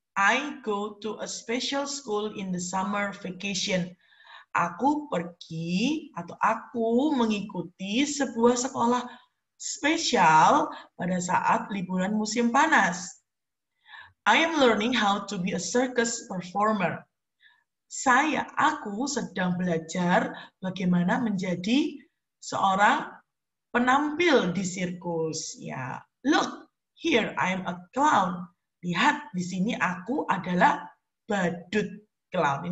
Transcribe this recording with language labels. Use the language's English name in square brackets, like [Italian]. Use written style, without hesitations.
[English] I go to a special school in the summer vacation. [Indonesian] Aku pergi atau aku mengikuti sebuah sekolah spesial pada saat liburan musim panas. [English] I am learning how to be a circus performer. [Indonesian] Aku sedang belajar bagaimana menjadi seorang penampil di sirkus. Ya, look, here I am a clown. Lihat, di sini aku adalah badut clown.